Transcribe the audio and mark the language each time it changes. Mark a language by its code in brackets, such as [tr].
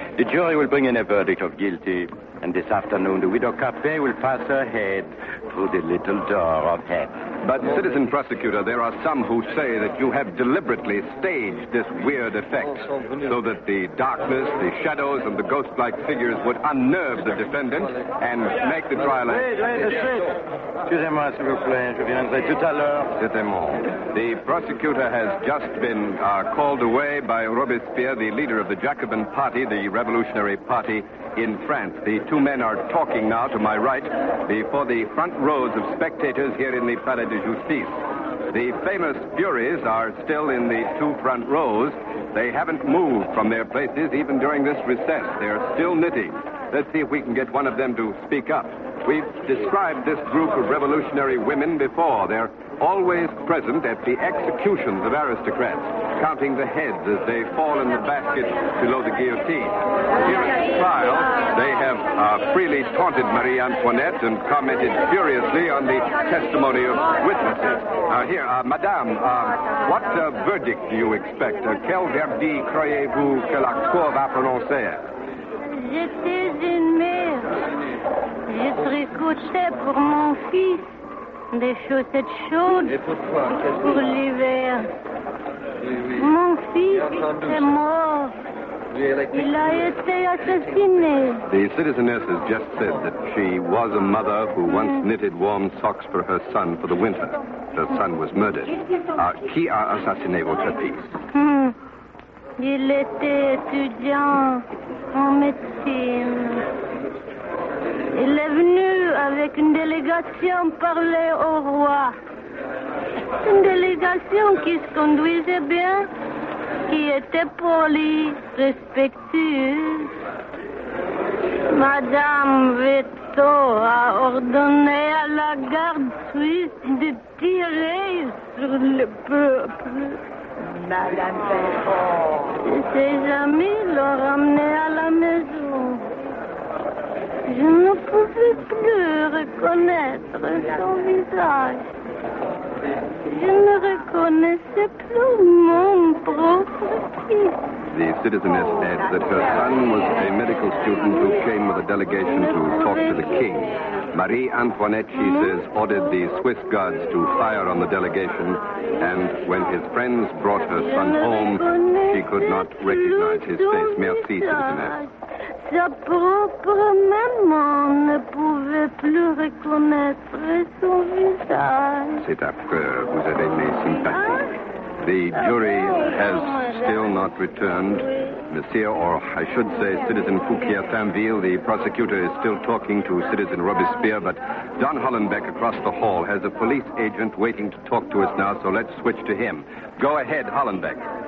[en] The jury will bring in a verdict of guilty, and this afternoon the widow Capet will pass her head through the little door of heaven. But, citizen prosecutor, there are some who say that you have deliberately staged this weird effect so that the darkness, the shadows, and the ghost-like figures would unnerve the defendant and make the trial... [fr] Excusez-moi, s'il vous plaît. Je viendrai tout à l'heure. C'est bon. [en] The prosecutor has just been called away by Robespierre, the leader of the Jacobin Party, the revolutionary party in France. The 2 men are talking now to my right before the front rows of spectators here in the Palais de Justice. The famous furies are still in the 2 front rows. They haven't moved from their places even during this recess. They're still knitting. Let's see if we can get one of them to speak up. We've described this group of revolutionary women before. They're always present at the executions of aristocrats, counting the heads as they fall in the basket below the guillotine. Here at the trial, they have freely taunted Marie Antoinette and commented furiously on the testimony of witnesses. Madame, what verdict do you expect? [fr] Quel verdict croyez-vous que la cour va prononcer? J'étais une mère. Je tricotais pour mon fils des chaussettes chaudes pour l'hiver. Mon fils est mort. Il a été assassiné. [en] The citizeness has just said that she was a mother who once knitted warm socks for her son for the winter. Her son was murdered. [fr] Qui a assassiné votre fils? Il était étudiant en médecine. Il est venu avec une délégation parler au roi. Une délégation qui se conduisait bien, qui était polie, respectueuse. Madame Veto a ordonné à la garde suisse de tirer sur le peuple. Madame Veto. Et ses amis l'ont ramené à la maison. Je ne pouvais plus reconnaître son visage. Je ne reconnaissais plus mon propre fils. [en] The citizeness adds that her son was a medical student who came with a delegation to talk to the king. Marie Antoinette, she says, ordered the Swiss guards to fire on the delegation, and when his friends brought her son home, she could not recognize his face. Merci, citizeness. [fr] Sa propre maman ne pouvait plus reconnaître son visage. C'est affreux. Vous avez mes sympathies. [en] The jury has still not returned. Monsieur, or I should say, citizen Fouquier Tinville, the prosecutor, is still talking to citizen Robespierre, but Don Hollenbeck across the hall has a police agent waiting to talk to us now, so let's switch to him. Go ahead, Hollenbeck.